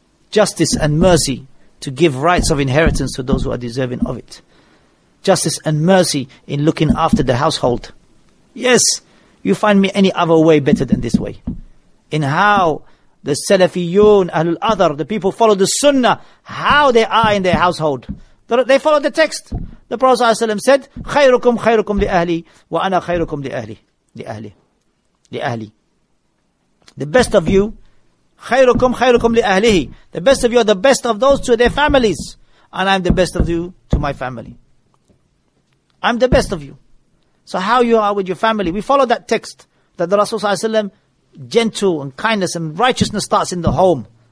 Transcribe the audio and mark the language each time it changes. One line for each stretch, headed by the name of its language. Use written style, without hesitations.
English: Justice and mercy to give rights of inheritance to those who are deserving of it. Justice and mercy in looking after the household. Yes, you find me any other way better than this way. In how the Salafiyun, Ahlul Adhar, the people follow the Sunnah, how they are in their household. They follow the text. The Prophet ﷺ said,
Arabic: خَيْرُكُمْ خَيْرُكُمْ لِأَهْلِي وَأَنَا خَيْرُكُمْ لِأَهْلِي.
English: The best of you,
Arabic: خَيْرُكُمْ خَيْرُكُمْ لِأَهْلِهِ.
English: The best of you are the best of those to their families. And I'm the best of you to my family. I'm the best of you. So how you are with your family? We follow that text, that the Rasul ﷺ, gentle and kindness and righteousness starts in the home.